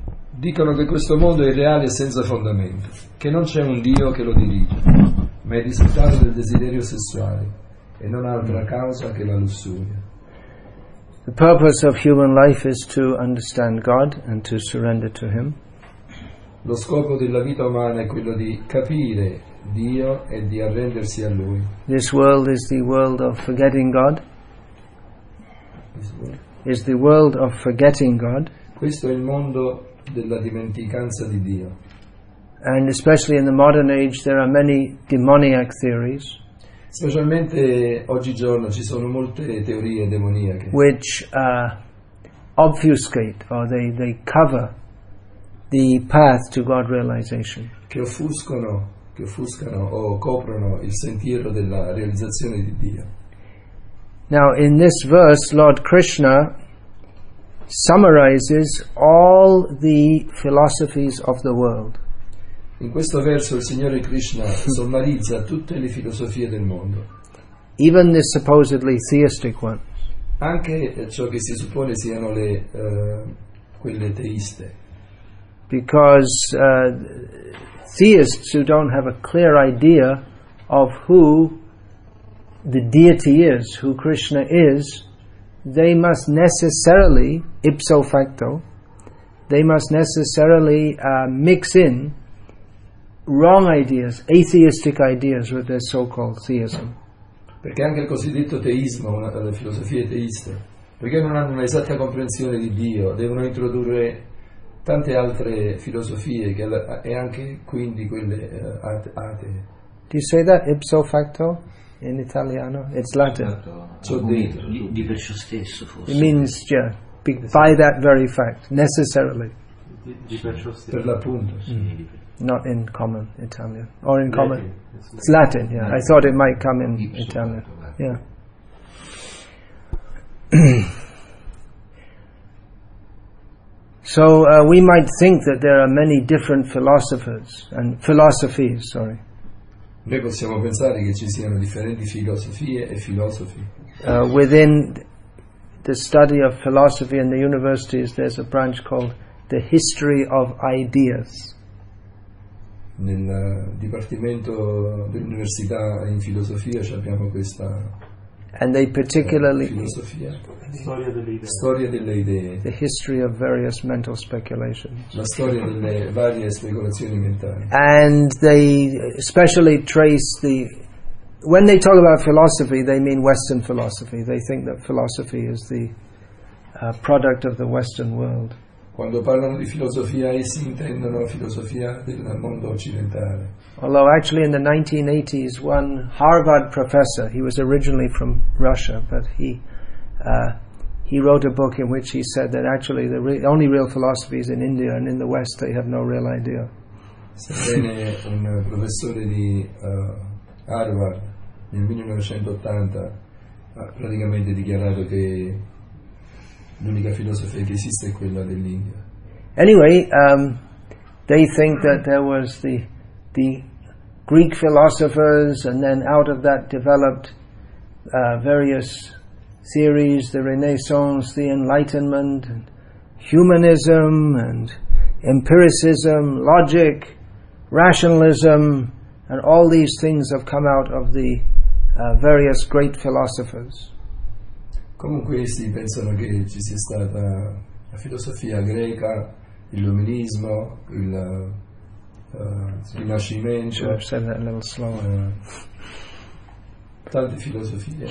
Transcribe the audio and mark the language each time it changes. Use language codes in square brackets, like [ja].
[it] dicono che questo mondo è irreale e senza fondamento, che non c'è un Dio che lo dirige, ma è risultato del desiderio sessuale e non ha altra causa che la lussuria. [en] The purpose of human life is to understand God and to surrender to Him. [it] Lo scopo della vita umana è quello di capire Dio e di arrendersi a Lui. [en] This world is the world of forgetting God. Is the world of forgetting God. [it] Questo è il mondo della dimenticanza di Dio. [en] And especially in the modern age there are many demoniac theories. [it] Specialmente oggigiorno ci sono molte teorie demoniache. [en] Which obfuscate or they cover the path to God realization. [it] Che offuscano o coprono il sentiero della realizzazione di Dio. [en] Now in this verse Lord Krishna summarizes all the philosophies of the world. [it] In questo verso il Signore Krishna sommarizza tutte le filosofie del mondo. [en] Even the supposedly theistic ones. [it] Anche ciò che si suppone siano le quelle teiste. [en] Because theists who don't have a clear idea of who the deity is, who Krishna is, they must necessarily, ipso facto, they must necessarily mix in wrong ideas, atheistic ideas with their so-called theism. [it] Perché anche il cosiddetto teismo, una delle filosofie teiste, perché non hanno un'esatta comprensione di Dio, devono introdurre tante altre filosofie che e anche quindi quelle atee. [en] Do you say that ipso facto [it] in italiano? [en] It's Latin. [it] So di per ciò stesso forse. [en] It means yeah, by that very fact, necessarily. [it] Di per ciò stesso. Per l'appunto. [en] Not in common Italian or in common. It's Latin. Yeah, I thought it might come in Italian. Yeah. So we might think that there are many different philosophers and philosophies, sorry. [it] Noi possiamo pensare che ci siano differenti filosofie e filosofi. [en] Within the study of philosophy in the universities, there's a branch called the history of ideas. [it] Nel dipartimento dell'università in filosofia ci abbiamo questa. [en] And they particularly [it] filosofia. Storia delle idee. Storia delle idee. [en] The history of various mental speculations. [it] La storia delle varie speculazioni mentali. [en] And they especially trace the. When they talk about philosophy, they mean Western philosophy. They think that philosophy is the product of the Western world. [it] Quando parlano di filosofia, essi intendono filosofia del mondo occidentale. [en] Although actually in the 1980s, one Harvard professor, he was originally from Russia, but he wrote a book in which he said that actually the only real philosophy is in India, and in the West they have no real idea. [it] Sebbene un professore di Harvard nel 1980 ha praticamente dichiarato che l'unica filosofia che esiste è quella dell'India. [en] Anyway, they think that there was the Greek philosophers, and then out of that developed various theories, the Renaissance, the Enlightenment, and humanism, and empiricism, logic, rationalism, and all these things have come out of the various great philosophers. [it] Comunque essi pensano che ci sia stata la filosofia greca, l'illuminismo, il rinascimento, tante filosofie,